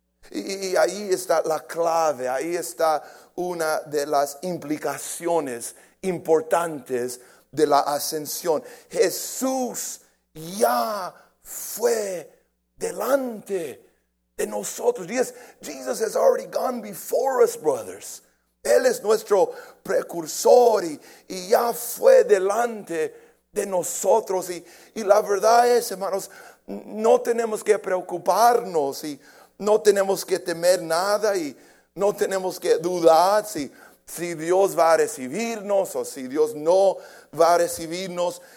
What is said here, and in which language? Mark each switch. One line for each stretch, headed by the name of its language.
Spanish: Y ahí está la clave, ahí está una de las implicaciones importantes de la ascensión. Jesús ya fue delante de nosotros.
English: Jesus has already gone before us, brothers.
Spanish: Él es nuestro precursor y ya fue delante de nosotros. Y la verdad es, hermanos, no tenemos que preocuparnos y no tenemos que temer nada y no tenemos que dudar si Dios va a recibirnos o si Dios no va a recibirnos.